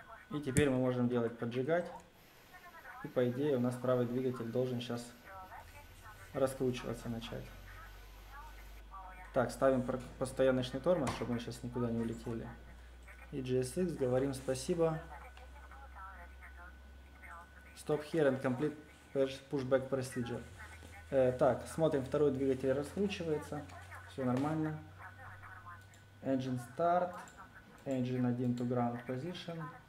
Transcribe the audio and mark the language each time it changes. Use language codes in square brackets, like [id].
[ru] И теперь мы можем делать поджигать. И по идее у нас правый двигатель должен сейчас раскручиваться начать. Так, ставим постояночный тормоз, чтобы мы сейчас никуда не улетели. И GSX, говорим спасибо. [en] Stop here and complete pushback procedure. [ru] Так, смотрим, второй двигатель раскручивается. Все нормально. [en] Engine start. Engine 1 to ground position.